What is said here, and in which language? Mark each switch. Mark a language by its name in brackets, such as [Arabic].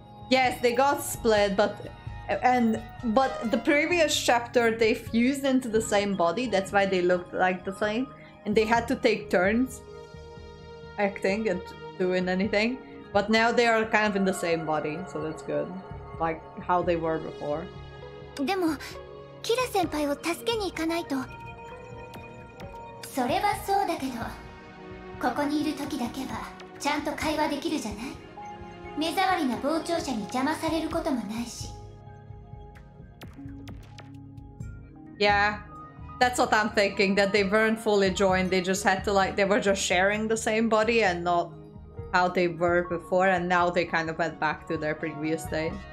[English] Yes, they got split, but the previous chapter they fused into the same body, that's why they looked like the same, and they had to take turns acting and doing anything, but now they are kind of in the same body, so that's good, like how they were before. [Japanese] でもキラ先輩を助けに行かないと。それはそうだけど、ここにいる時だけはちゃんと会話できるじゃない。目障りな傍聴者に邪魔されることもないし。 [English] Yeah, that's what I'm thinking, that they weren't fully joined, they just had to like, they were just sharing the same body and not how they were before, and now they kind of went back to their previous state.